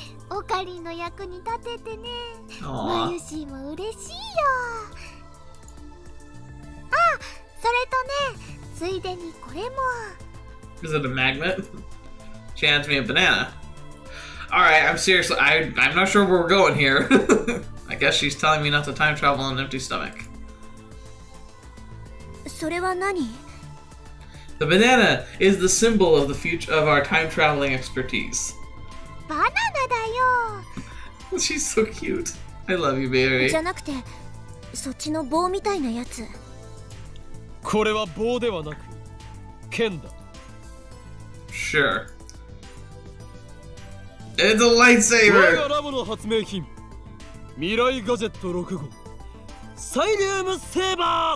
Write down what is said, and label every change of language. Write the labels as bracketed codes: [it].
[ja] オカリンの役に立ててね。マユシーも嬉しいよ。あ、それとね、ついでにこれも。 [en] Is it a magnet? She hands me a banana. Alright, I'm seriously, I'm not sure where we're going here. I guess she's telling me not to time travel on an empty stomach. [ja] それは何? [en] The banana is the symbol of the future of our time traveling expertise. [ja] バナナだよ! [en] She's so cute. I love you, baby. [ja] じゃなくて、そっちの棒みたいなやつ。これは棒ではなく、剣だ。 [en] Sure. It's a lightsaber! [ja] これがラボの発明品未来ガジェット6号サイリウムセーバ